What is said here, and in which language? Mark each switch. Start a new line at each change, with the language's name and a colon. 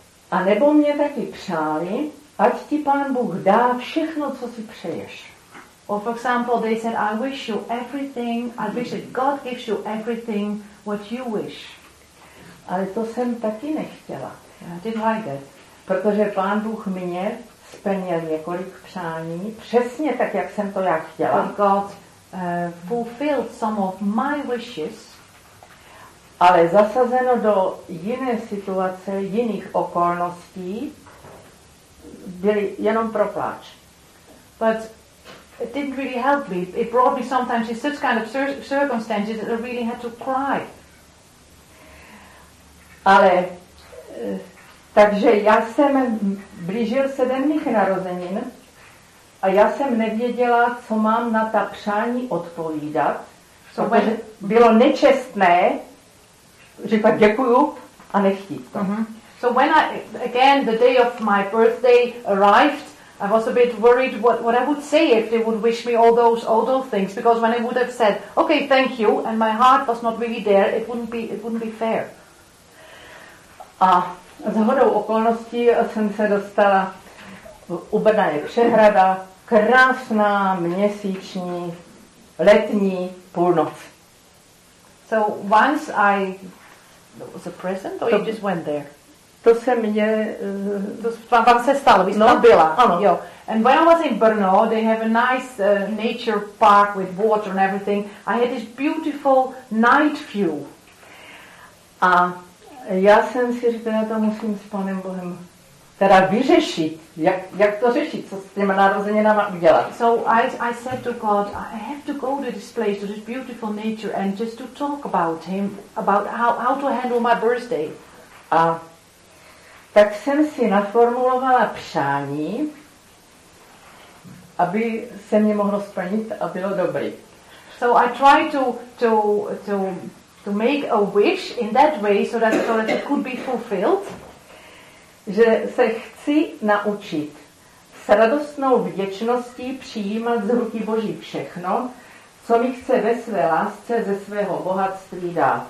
Czech: A nebo mě taky přáli, ať ti Pán Bůh dá všechno, co si přeješ.
English: Or for example, they said, I wish you everything, I wish that God gives you everything what you wish.
Czech: Ale to jsem taky nechtěla.
English: I didn't like it.
Czech: Protože Pán Bůh mě splnil několik přání, přesně tak, jak jsem to já chtěla.
English: But God fulfilled some of my wishes.
Czech: Ale zasazeno do jiné situace, jiných okolností, byly jenom pro pláč.
English: But it didn't really help me. It brought me sometimes in such kind of circumstances that I really had to cry.
Czech: Ale takže já jsem blížil se den mých narozenin a já jsem nevěděla, co mám na ta přání odpovídat, so protože bylo nečestné říkat děkuju a nechtít to. Mm-hmm.
English: So when I, again, the day of my birthday arrived, I was a bit worried what I would say if they would wish me all those things, because when I would have said, okay, thank you, and my heart was not really there, it wouldn't be fair.
Czech: A shodou okolností jsem se dostala, u Brna je přehrada, krásná měsíční letní půlnoc.
English: So once I, it was a present, or to, you just went there?
Czech: To se mě vám se stalo, vy jste tam byla. Ano. Jo.
English: And when I was in Brno, they have a nice nature park with water and everything. I had this beautiful night view.
Czech: A já jsem si říkala, to musím s Panem Bohem teda vyřešit. Jak to řešit, co s těma narozeninama udělat?
English: So I said to God, I have to go to this place, to this beautiful nature, and just to talk about him, about how to handle my birthday.
Czech: A tak jsem si naformulovala přání, aby se mě mohlo splnit a bylo dobrý.
English: So I try to make a wish in that way so that it could be fulfilled.
Czech: Že se chci naučit s radostnou vděčností přijímat z ruky Boží všechno, co mi chce ve své lásce ze svého bohatství dát.